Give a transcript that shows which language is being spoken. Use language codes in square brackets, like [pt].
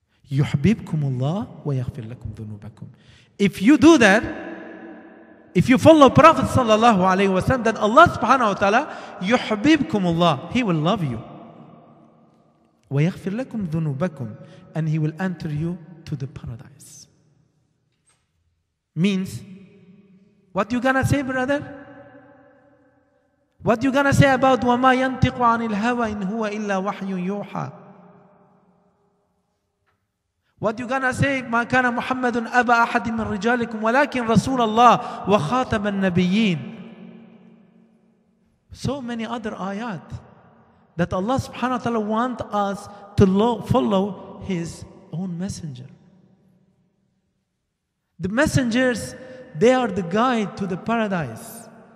[ar] يُحْبِبْكُمُ اللَّهُ وَيَغْفِرْ لَكُمْ ذُنُوبَكُمْ. [en] If you do that, if you follow Prophet sallallahu alaihi wasallam, then Allah subhanahu wa ta'ala, [ar] يُحْبِبْكُمُ اللَّهُ, [en] He will love you. [ar] وَيَغْفِرْ لَكُمْ ذُنُوبَكُمْ, [en] and He will enter you to the paradise. Means, what you gonna say, brother? What you gonna say about [ar] وَمَا يَنْتِقُ عَنِ الْهَوَى إِنْ هُوَ إِلَّا وَحْيٌ يُوحَى? [en] What you gonna say, [ar] مَا كَانَ مُحَمَّدٌ أَبَى أَحَدٍ مِنْ رِجَالِكُمْ وَلَكِنْ رَسُولَ اللَّهِ وَخَاتَمَ النَّبِيِّينَ. [en] So many other ayat that Allah subhanahu wa ta'ala want us to follow His own messenger. The messengers, they are the guide to the paradise.